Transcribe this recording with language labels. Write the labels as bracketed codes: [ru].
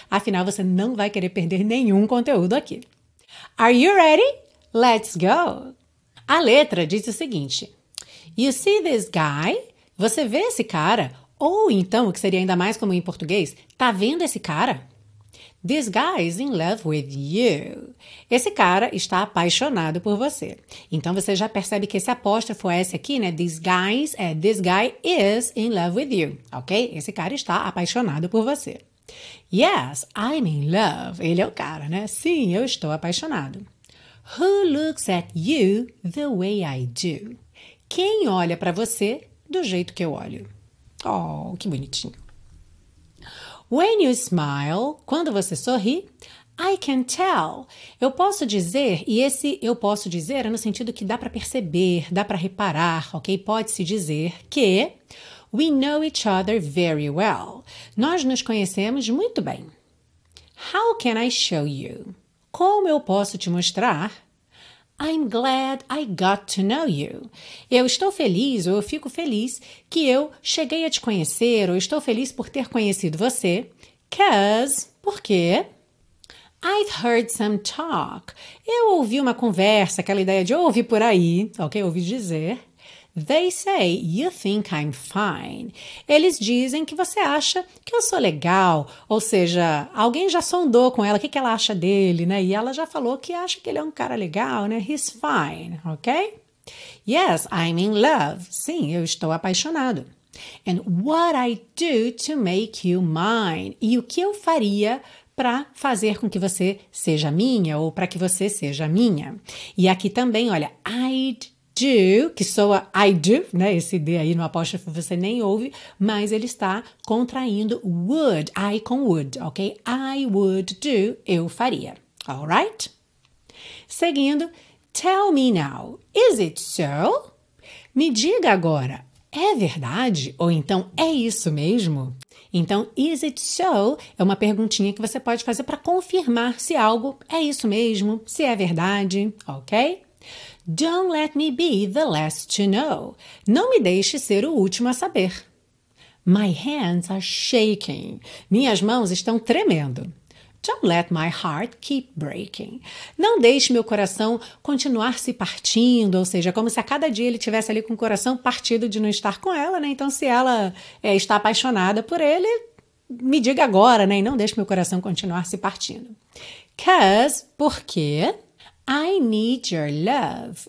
[pt] Afinal, você não vai querer perder nenhum conteúdo aqui. [en] Are you ready? Let's go! [pt] A letra diz o seguinte: [en] You see this guy? [pt] Você vê esse cara? Ou então, o que seria ainda mais comum em português, tá vendo esse cara? [en] This guy is in love with you. [pt] Esse cara está apaixonado por você. Então, você já percebe que esse apóstrofo S aqui, né? [en] This guy is in love with you. Ok? [pt] Esse cara está apaixonado por você. [en] Yes, I'm in love. [pt] Ele é o cara, né? Sim, eu estou apaixonado. [en] Who looks at you the way I do? [pt] Quem olha para você do jeito que eu olho? Oh, que bonitinho. [en] When you smile, [pt] quando você sorri, [en] I can tell. [pt] Eu posso dizer, e esse eu posso dizer é no sentido que dá para perceber, dá para reparar, ok? Pode-se dizer que [en] we know each other very well. [pt] Nós nos conhecemos muito bem. [en] How can I show you? [pt] Como eu posso te mostrar? [en] I'm glad I got to know you. [pt] Eu estou feliz, ou eu fico feliz, que eu cheguei a te conhecer, ou estou feliz por ter conhecido você. [en] Porque I've heard some talk. [pt] Eu ouvi uma conversa, aquela ideia de ouvir por aí, ok? Ouvi dizer. [en] They say you think I'm fine. [pt] Eles dizem que você acha que eu sou legal. Ou seja, alguém já sondou com ela, o que ela acha dele, né? E ela já falou que acha que ele é um cara legal, né? [en] He's fine, ok? Yes, I'm in love. [pt] Sim, eu estou apaixonado. [en] And what I do to make you mine. [pt] E o que eu faria para fazer com que você seja minha ou para que você seja minha. E aqui também, olha, I do, né? Esse D aí no apóstrofo você nem ouve, mas ele está contraindo would, I com would, ok? [en] I would do, [pt] eu faria, [en] alright? [pt] Seguindo, [en] tell me now, is it so? [pt] Me diga agora, é verdade? Ou então, é isso mesmo? Então, [en] is it so? [pt] É uma perguntinha que você pode fazer para confirmar se algo é isso mesmo, se é verdade, ok? [en] Don't let me be the last to know. [pt] Não me deixe ser o último a saber. [en] My hands are shaking. [pt] Minhas mãos estão tremendo. [en] Don't let my heart keep breaking. [pt] Não deixe meu coração continuar se partindo, ou seja, como se a cada dia ele estivesse ali com o coração partido de não estar com ela, né? Então, se ela está apaixonada por ele, me diga agora, né? E não deixe meu coração continuar se partindo. [en] Porque I need your love.